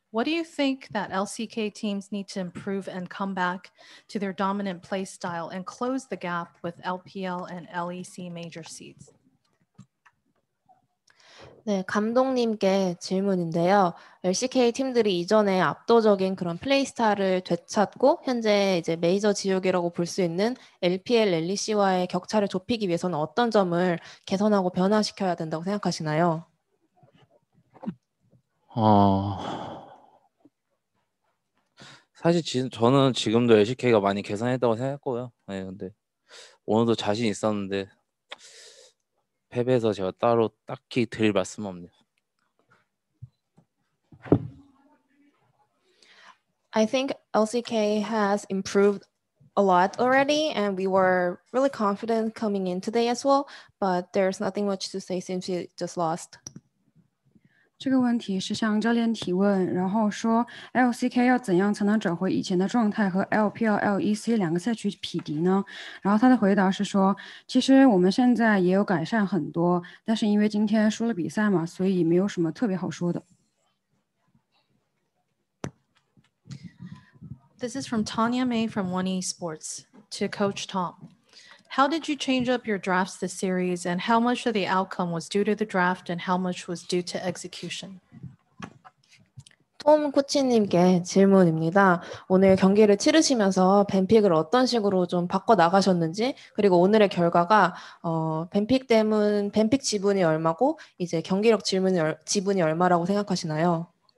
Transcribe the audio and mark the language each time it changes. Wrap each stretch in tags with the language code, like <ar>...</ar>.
<en>What do you think that LCK teams need to improve and come back to their dominant play style and close the gap with LPL and LEC major seeds?</en> <ko>네, 감독님께 질문인데요. LCK 팀들이 이전에 압도적인 그런 플레이스타일을 되찾고 현재 이제 메이저 지역이라고 볼 수 있는 LPL, LEC와의 격차를 좁히기 위해서는 어떤 점을 개선하고 변화시켜야 된다고 생각하시나요? 사실 저는 지금도 LCK가 많이 개선했다고 생각했고요. 네, 근데 오늘도 자신 있었는데 패배해서 제가 따로 딱히 드릴 말씀은 없네요.</ko> <en>I think LCK has improved a lot already, and we were really confident coming in today as well, but there's nothing much to say since we just lost.</en> <zh>这个问题是向教练提问，然后说 LCK 要怎样才能找回以前的状态和 LPL、 LEC 两个赛区匹敌呢？然后他的回答是说，其实我们现在也有改善很多，但是因为今天输了比赛嘛，所以没有什么特别好说的。</zh> <en>This is from Tanya May from One Esports to Coach Tom. How did you change up your drafts this series, and how much of the outcome was due to the draft, and how much was due to execution?</en> <ko>Tom 코치님께 질문입니다. 오늘 경기를 치르시면서 밴픽을 어떤 식으로 좀 바꿔 나가셨는지, 그리고 오늘의 결과가 밴픽 때문 밴픽 지분이 얼마고 이제 경기력 질문 지분이 얼마라고 생각하시나요?</ko>